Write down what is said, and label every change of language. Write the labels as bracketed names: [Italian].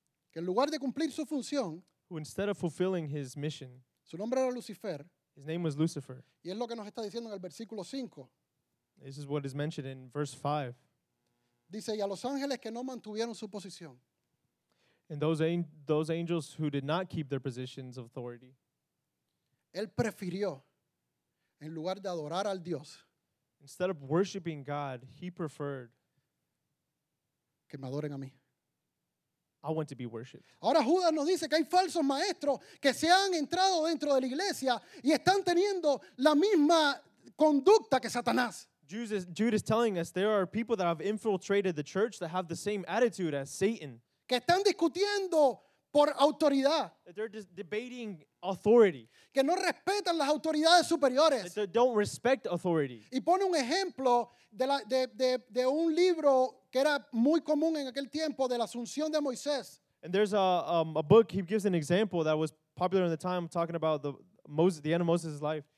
[Spanish] Que en lugar de cumplir su función. [English] Who instead of fulfilling his mission. [Spanish] Su nombre era Lucifer. [English] His name was Lucifer. [Spanish] Y es lo que nos está diciendo en el versículo 5. [English] This is what is mentioned in verse 5. [Spanish] Dice, y a los ángeles que no mantuvieron su posición. [English] And those angels who did not keep their positions of authority. [Spanish] Él prefirió, en lugar de adorar al Dios. [English] Instead of worshiping God, he preferred. [Spanish] Que me adoren a mí. [English] I want to be worshipped. [Spanish] Ahora Judas nos dice que hay falsos maestros que se han entrado dentro de la iglesia y están teniendo la misma conducta que Satanás. [English] Judas telling us there are people that have infiltrated the church that have the same attitude as Satan. [Spanish] Que están discutiendo por autoridad. [English] That they're debating authority. [Spanish] Que no respetan las autoridades superiores. [English] That they don't respect authority. [Spanish] Y pone un ejemplo de un libro que era muy común en aquel tiempo de la Asunción de Moisés. [English] And there's a book, he gives an example that was popular in the time talking about the end of Moses' life.